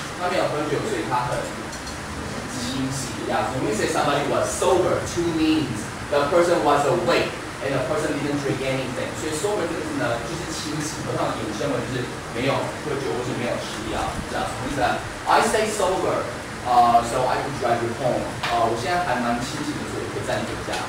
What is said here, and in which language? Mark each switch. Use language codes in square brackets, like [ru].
[zh] 她没有喝酒，所以她很清醒。 [en] Yeah, so when we say somebody was sober, two means the person was awake and the person didn't drink anything. [zh] 所以 sober 这个字呢，就是清醒，和它的引申为就是没有喝酒或者没有吃药。这样什么意思呢？ [en] I stay sober, so I can drive you home. [zh] 我现在还蛮清醒的，所以可以载你回家。